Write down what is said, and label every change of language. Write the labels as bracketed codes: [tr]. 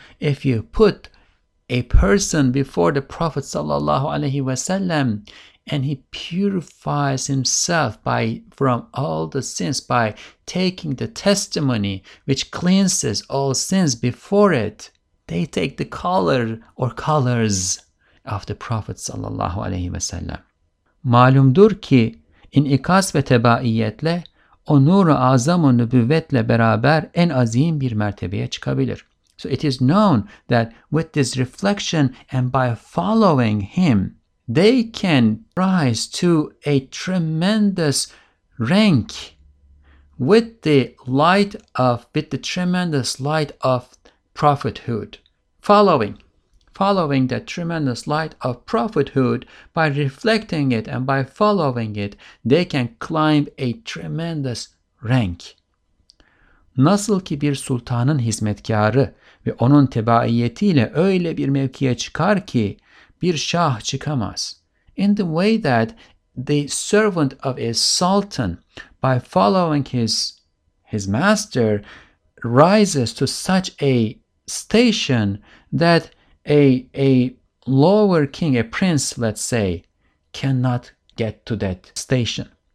[en] If you put a person before the Prophet sallallahu alaihi wasallam and he purifies himself from all the sins by taking the testimony which cleanses all sins before it, they take the color or colors of the Prophet sallallahu alaihi wasallam. [tr] Malumdur ki in ikas ve tebaiyetle o nur-u azam-u nübüvvetle beraber en azim bir mertebeye çıkabilir. [en] So it is known that with this reflection and by following him, they can rise to a tremendous rank with the light of, with the tremendous light of prophethood. Following that tremendous light of prophethood, by reflecting it and by following it, they can climb a tremendous rank. [tr] Nasıl ki bir sultanın hizmetkarı ve onun tebaiyetiyle öyle bir mevkiye çıkar ki bir şah çıkamaz. [en] In the way that the servant of a sultan, by following his master, rises to such a station that a lower king, a prince, let's say, cannot get to that station.